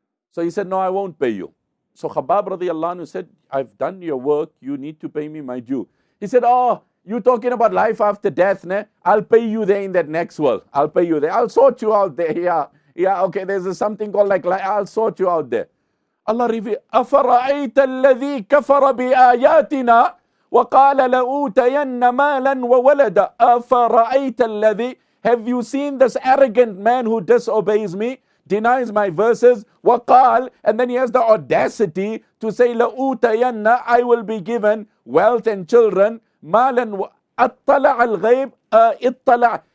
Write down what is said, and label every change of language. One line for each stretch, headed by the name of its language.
English: So he said, no, I won't pay you. So Khabbab radiallahu anhu said, I've done your work. You need to pay me my due. He said, oh, you're talking about life after death, ne? I'll pay you there in that next world. I'll pay you there. I'll sort you out there. Yeah, okay, there's something called like, I'll sort you out there. Allah reveals,
Arabic: أَفَرَأَيْتَ الَّذِي كَفَرَ بِآيَاتِنَا وَقَالَ لَأُوتَيَنَّ مَالًا وَوَلَدًا. أَفَرَأَيْتَ الَّذِي.
English: Have you seen this arrogant man who disobeys me, denies my verses,
Arabic: وَقَالَ,
English: and then he has the audacity to say,
Arabic: لَأُوتَيَنَّ,
English: I will be given wealth and children.
Arabic: مَالًا أَطَّلَعَ الْغَيْبِ. اِطَّلَعَ.